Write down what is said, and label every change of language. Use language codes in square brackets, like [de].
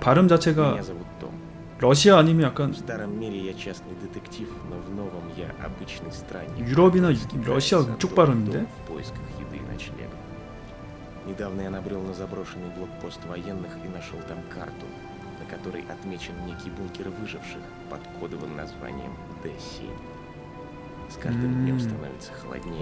[ko] 발음 자체가 러시아 아니면 약간 [ru] в старом мире я частный детектив, но в новом я обычный странник. [ko] 유럽이나 러시아 쪽 발음인데. [ru] В поисках еды и ночлега. Недавно я набрёл на заброшенный блокпост военных и нашёл там карту. который отмечен некий бункер выживших под кодовым названием D7. С каждым днем становится холоднее.